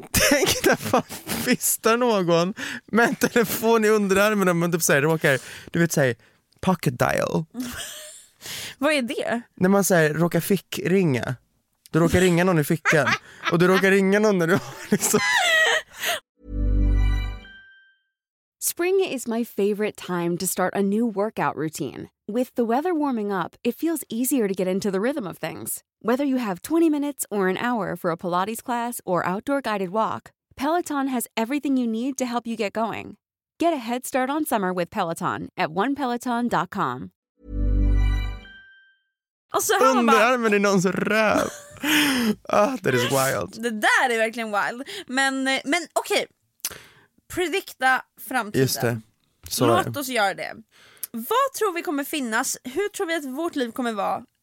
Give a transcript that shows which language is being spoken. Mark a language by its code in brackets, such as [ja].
[sv] Tänk dig fan fista någon med en telefon i underarmen när man typ säger råkar, du vet, säg pocket dial. Vad är det? När man säger råkar fick ringa. Du råkar ringa någon i fickan. Och du råkar ringa någon när du har liksom. [en] Spring is my favorite time to start a new workout routine. With the weather warming up, it feels easier to get into the rhythm of things. Whether you have 20 minutes or an hour for a Pilates class or outdoor guided walk, Peloton has everything you need to help you get going. Get a head start on summer with Peloton at onepeloton.com. [sv] Alltså, han underarmen är någons röv. [en] Ah, that is wild. [sv] Det där är verkligen wild. Men okej. Predikta framtiden. Just det. Så låt oss göra det. Vad tror vi kommer finnas? Hur tror vi att vårt liv kommer vara?